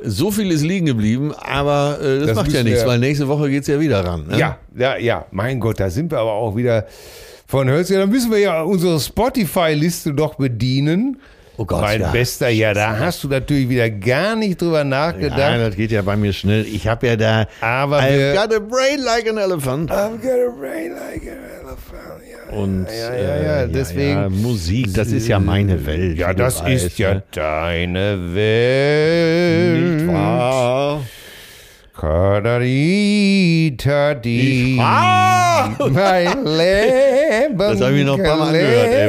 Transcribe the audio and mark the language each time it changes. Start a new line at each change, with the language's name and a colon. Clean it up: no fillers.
German: So viel ist liegen geblieben, aber das macht ja nichts, weil nächste Woche geht es ja wieder ran. Ne? Ja. Mein Gott, da sind wir aber auch wieder von Hölzchen. Dann müssen wir ja unsere Spotify-Liste doch bedienen. Oh Gott, mein Bester, ja, da hast du natürlich wieder gar nicht drüber nachgedacht. Nein, das geht ja bei mir schnell. Ich habe ja da... Aber
English: I've got a brain like an elephant. I've got a brain like an elephant, ja.
German: Und deswegen... Ja, Musik, das ist ja meine Welt. Ja, das ist ja deine Welt. Nicht wahr? Kadarita di. Mein Leben. Das habe ich noch ein paar Mal gehört, ey.